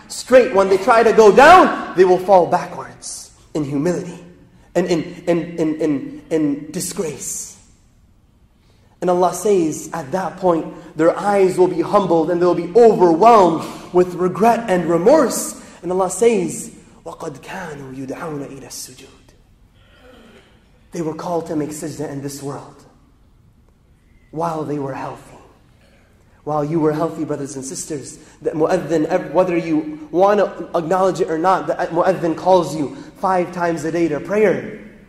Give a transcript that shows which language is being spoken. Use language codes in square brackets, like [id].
[en] Straight, when they try to go down, they will fall backwards in humility and in disgrace. And Allah says, at that point, their eyes will be humbled and they'll be overwhelmed with regret and remorse. And Allah says, [ar] وَقَدْ كَانُوا يُدْعَوْنَ إِلَى السُّجُودِ. [en] They were called to make sajda in this world while they were healthy. While you were healthy, brothers and sisters, that mu'adhin, whether you want to acknowledge it or not, the mu'adhin calls you 5 times a day to prayer.